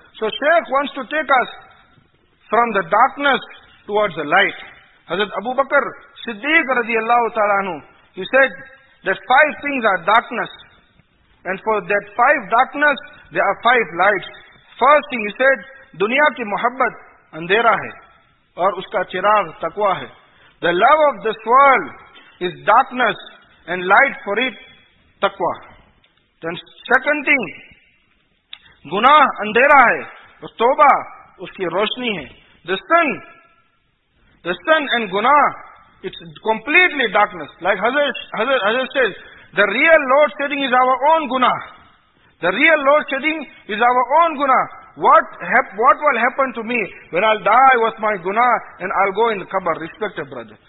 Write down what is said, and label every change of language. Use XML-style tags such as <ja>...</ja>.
<en>So Shaykh wants to take us from the darkness towards the light. Hazrat Abu Bakr Siddiq radiallahu ta'ala anhu, he said that 5 things are darkness. And for that 5 darkness, there are 5 lights. First thing he said,</en> <ur>دنیا کی محبت اندھیرا ہے اور اس کا چراغ تقویٰ ہے.</ur> <en>The love of this world is darkness and light for it تقویٰ. Then second thing,</en> <ur>گناہ اندھیرا ہے اور توبہ اس کی روشنی ہے.</ur> <en>The sin and گناہ, it's completely darkness. Like Hazrat says, the real load shedding is our own gunah. The real load shedding is our own gunah. What will happen to me when I'll die with my gunah and I'll go in the qabr, respected brother?</en>